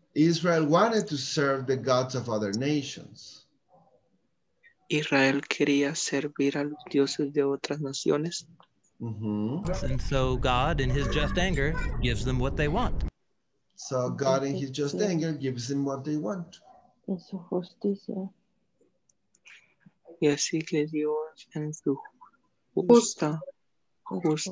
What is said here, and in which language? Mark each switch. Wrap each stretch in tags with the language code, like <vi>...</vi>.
<en>Israel wanted to serve the gods of other nations.</en> <es>Israel quería servir a los dioses de otras naciones.</es> <en>And so God, in his just anger, gives them what they want. So God, in his just anger, gives them what they want.</en> <es>En su justicia. Y así que Dios, en su justa, justo</es>